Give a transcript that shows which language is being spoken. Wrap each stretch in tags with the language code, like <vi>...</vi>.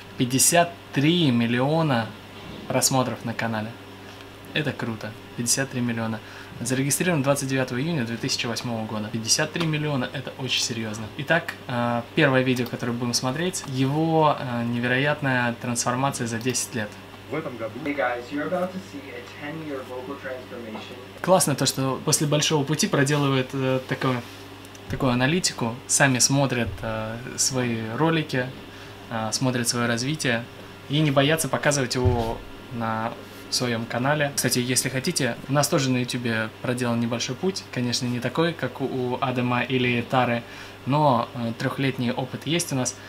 <ru>53 миллиона просмотров на канале. Это круто. 53 миллиона. Зарегистрирован 29 июня 2008 года. 53 миллиона – это очень серьезно. Итак, первое видео, которое будем смотреть, его невероятная трансформация за 10 лет. В этом году.</ru> <en>Hey guys, you're about to see a 10-year vocal transformation.</en> <ru>Классно то, что после большого пути проделывают такую аналитику, сами смотрят свои ролики, смотрят свое развитие и не боятся показывать его на в своем канале. Кстати, если хотите, у нас тоже на YouTube проделан небольшой путь, конечно, не такой, как у Адама или Тары, но трехлетний опыт есть у нас.</ru>